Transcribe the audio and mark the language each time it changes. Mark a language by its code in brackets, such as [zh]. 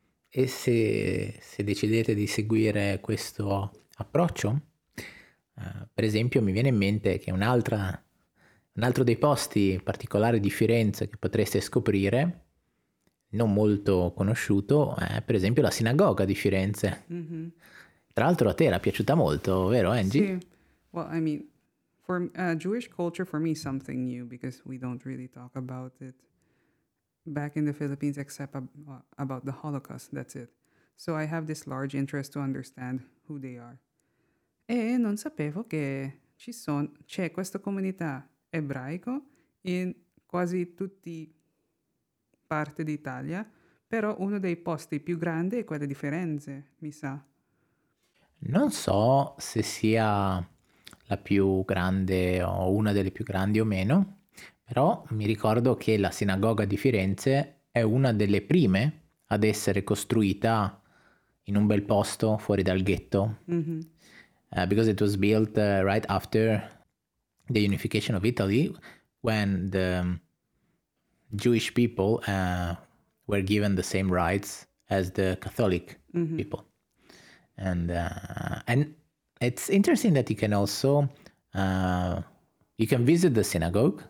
[it] E se decidete di seguire questo approccio, per esempio, mi viene in mente che un altro dei posti particolari di Firenze che potreste scoprire, non molto conosciuto, è per esempio la sinagoga di Firenze. Mm-hmm. Tra l'altro a te era piaciuta molto, vero Angie? Sì. [en] Well, I mean, for Jewish culture, for me, something new, because we don't really talk about it back in the Philippines, except about the Holocaust, that's it. So I have this large interest to understand who they are. [it] E non sapevo che c'è questa comunità ebraico in quasi tutti parte d'Italia, però uno dei posti più grandi è quello di Firenze, mi sa. Non so se sia la più grande o una delle più grandi o meno, però mi ricordo che la sinagoga di Firenze è una delle prime ad essere costruita in un bel posto fuori dal ghetto. Mm-hmm. [en] Because it was built right after the unification of Italy, when the Jewish people were given the same rights as the Catholic people. And it's interesting that you can also, you can visit the synagogue.